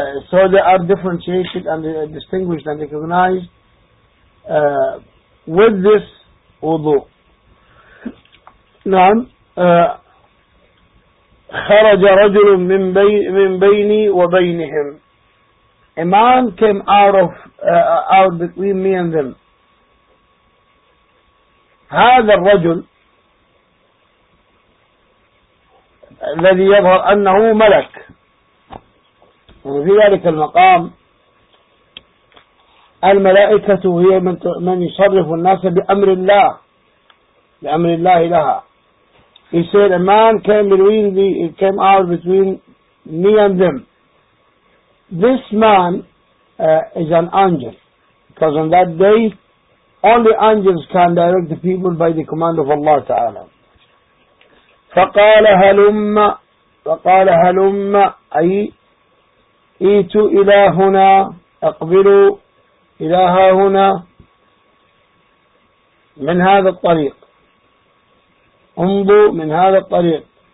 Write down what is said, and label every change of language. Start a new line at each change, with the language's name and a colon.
English: So they are differentiated and distinguished and recognized with this wudu.
Arabic: نعم خرج رجل من بيني وبينهم.
English: A man came out between me and them.
Arabic: هذا الرجل الذي يظهر أنه ملك، وفي ذلك المقام الملائكة هي من يصرف الناس بأمر الله لها.
English: He said a man came between the, came out between me and them. This man is an angel, because on that day only angels can direct the people by the command of Allah Ta'ala.
Arabic: فَقَالَ هَلُمَّ فَقَالَ هَلُمَّ أي إِيْتُوا إِلَى هُنَا أَقْبِلُوا إِلَى هَا هُنَا من هذا الطريق أمضوا من هذا الطريق.